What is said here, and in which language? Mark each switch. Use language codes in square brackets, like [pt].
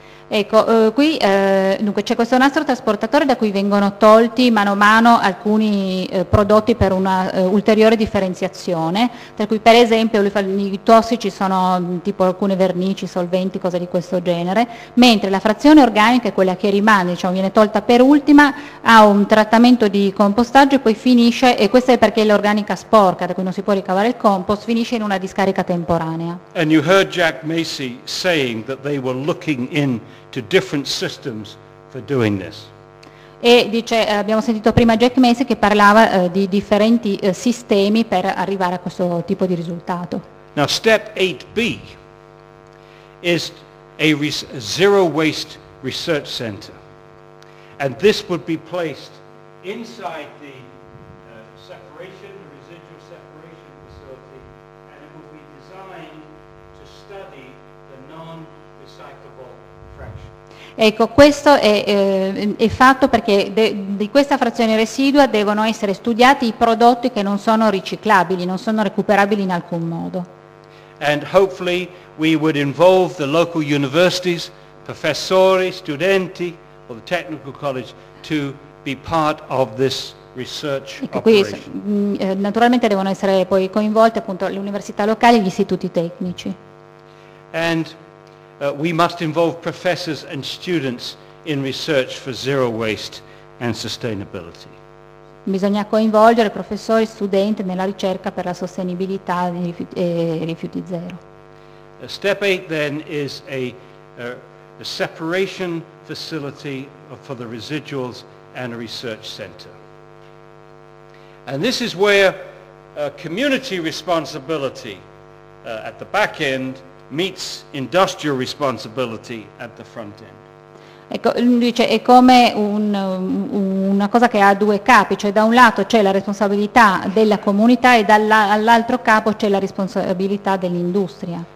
[it] Ecco, qui c'è questo nastro trasportatore da cui vengono tolti mano a mano alcuni prodotti per una ulteriore differenziazione, tra cui per esempio i tossici sono tipo alcune vernici, solventi, cose di questo genere, mentre la frazione organica è quella che rimane, diciamo, viene tolta per ultima, ha un trattamento di compostaggio e poi finisce, e questo è perché l'organica sporca, da cui non si può ricavare il compost, finisce in una discarica temporanea. [en] And you heard Jack Macy saying that they were looking in to different systems for doing this. [it] E dice, abbiamo sentito prima Jack Macy che parlava di differenti sistemi per arrivare a questo tipo di risultato. [en] Now step 8B is a zero waste research center. And this would be placed inside the separation, the residual separation facility, and it would be designed to study the non-recyclable. [it] Ecco, questo è fatto perché di questa frazione residua devono essere studiati i prodotti che non sono riciclabili, non sono recuperabili in alcun modo. [en] And hopefully we would involve the local universities, [it] professori, studenti, [en] or the technical college to be part of this research operation. [it] Qui, naturalmente devono essere poi coinvolte appunto le università locali e gli istituti tecnici. [en] And we must involve professors and students in research for zero waste and sustainability. [it] Bisogna coinvolgere professori e studenti nella ricerca per la sostenibilità dei rifiuti zero. [en] Step 8 then is a separation facility for the residuals and a research center. And this is where community responsibility at the back end meets industrial responsibility at the front end. [it] Ecco, dice, è come una cosa che ha due capi, cioè da un lato c'è la responsabilità della comunità e dall'altro capo c'è la responsabilità dell'industria.